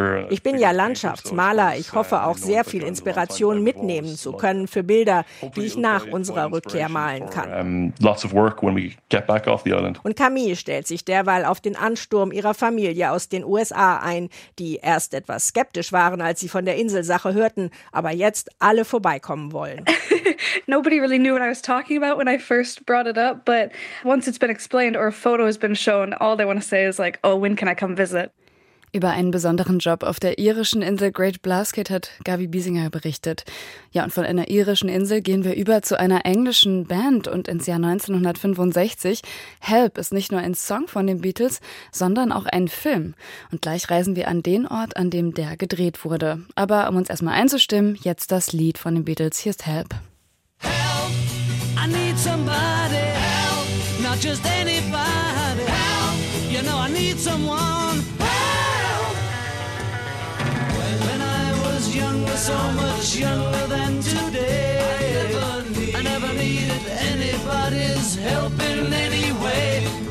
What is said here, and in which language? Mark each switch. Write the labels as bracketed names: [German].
[German] Ich bin ja Landschaftsmaler. Ich hoffe auch sehr viel Inspiration mitnehmen zu können für Bilder, die ich nach unserer Rückkehr malen kann. Und Camille stellt sich derweil auf den Ansturm ihrer Familie aus den USA ein, die erst etwas skeptisch waren, als sie von der Inselsache hörten, aber jetzt alle vorbeikommen wollen. [English] Nobody really knew what I was talking about when I first brought it up, but once it's been explained or a photo has been shown, all they want to say is like, oh, when can I come visit? [German] Über einen besonderen Job auf der irischen Insel Great Blasket hat Gavi Biesinger berichtet. Ja, und von einer irischen Insel gehen wir über zu einer englischen Band und ins Jahr 1965. Help ist nicht nur ein Song von den Beatles, sondern auch ein Film. Und gleich reisen wir an den Ort, an dem der gedreht wurde. Aber um uns erstmal einzustimmen, jetzt das Lied von den Beatles. Hier ist Help. [English] I need somebody, help, not just anybody, help, you know I need someone, help. When I was younger, so much younger than today, I never needed anybody's help in any way.